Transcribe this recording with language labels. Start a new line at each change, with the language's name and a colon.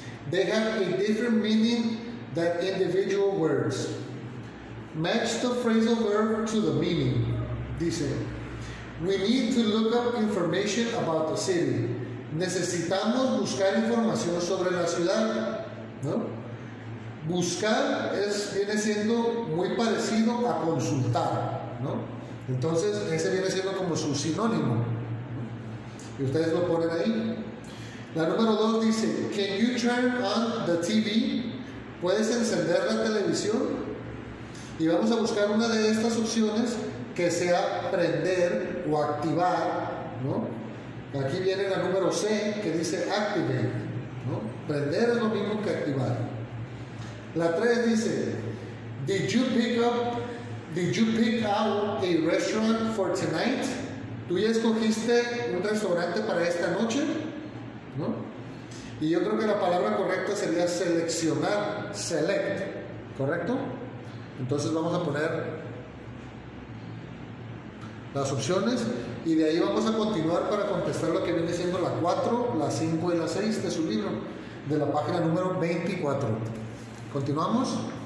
English: They have a different meaning than individual words. Match the phrasal verb to the meaning.
Spanish: Dice,
English: we need to look up information about the city.
Spanish: Necesitamos buscar información sobre la ciudad, ¿no? Buscar es, viene siendo muy parecido a consultar, ¿no? Entonces, ese viene siendo como su sinónimo. Y ustedes lo ponen ahí. La número 2 dice,
English: can you turn on the TV?
Spanish: ¿Puedes encender la televisión? Y vamos a buscar una de estas opciones que sea prender o activar, ¿no? Aquí viene la número C que dice activate, ¿no? Prender es lo mismo que activar. La 3 dice,
English: did you pick out a restaurant for tonight?
Spanish: ¿Tú ya escogiste un restaurante para esta noche? ¿No? Y yo creo que la palabra correcta sería seleccionar, select, ¿correcto? Entonces vamos a poner las opciones, y de ahí vamos a continuar para contestar lo que viene siendo la 4, la 5 y la 6 de su libro, de la página número 24. Continuamos.